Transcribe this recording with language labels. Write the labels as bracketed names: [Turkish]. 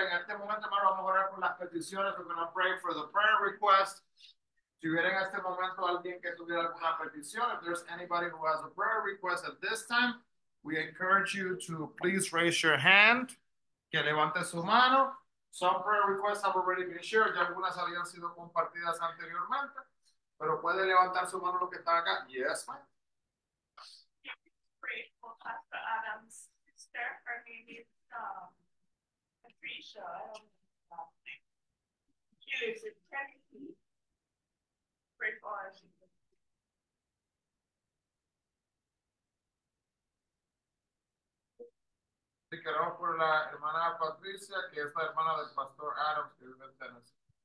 [Spanish] En este momento, vamos a orar por las peticiones. [English] We're going to pray for the prayer request. [Spanish] Si hubiera en este momento alguien que tuviera alguna petición, [English] if there's anybody who has a prayer request at this time, we encourage you to please raise your hand, [Spanish] que levante su mano. [English] Some prayer requests have already been shared, [Spanish] ya algunas habían sido compartidas anteriormente, pero puede levantar su mano lo que está acá. [English] Yes, ma'am. Pray for Pastor Adams, sister, or maybe Patricia, I don't know. She lives in Tennessee. [Spanish] Sí, queremos por la hermana Patricia, que es la hermana del pastor Adams, que vive en Tennessee.